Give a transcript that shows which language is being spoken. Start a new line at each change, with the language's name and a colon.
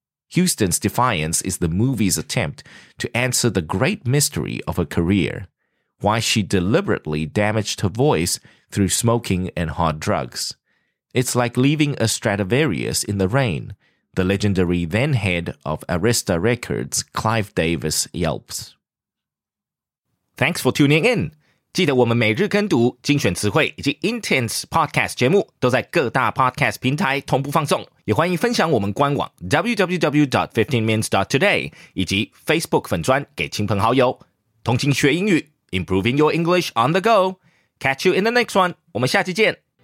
English: Houston's defiance is the movie's attempt to answer the great mystery of her career, why she deliberately damaged her voice through smoking and hard drugs. It's like leaving a Stradivarius in the rain, the legendary then-head of Arista Records, Clive Davis, yelps. Thanks for tuning in.
Chinese: 记得我们每日跟读、精选词汇以及 Intense Podcast 节目都在各大 Podcast 平台同步放送。也欢迎分享我们官网 www.15mins.today 以及 Facebook 粉专给亲朋好友。同情学英语
English: ,improving your English on the go. Catch you in the next one.
Chinese: 我们下期见。